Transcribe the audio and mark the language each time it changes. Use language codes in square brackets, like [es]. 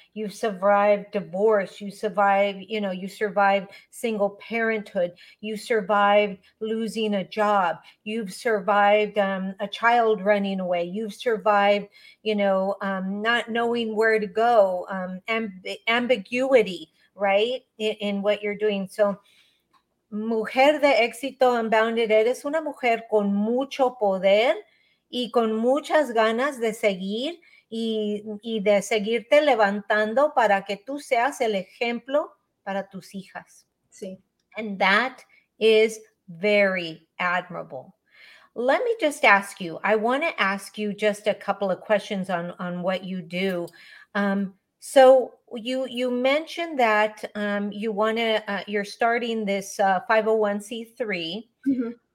[en] You've survived divorce, you survived single parenthood, you survived losing a job, you've survived a child running away, you've survived, you know, not knowing where to go, ambiguity, right, in what you're doing. [es] So, mujer de éxito unbounded, eres una mujer con mucho poder, y con muchas ganas de seguir y de seguirte levantando para que tú seas el ejemplo para tus hijas. Sí. [en] And that is very admirable. Let me just ask you, I want to ask you just a couple of questions on what you do. So you mentioned that you're starting this 501c3. Mm-hmm.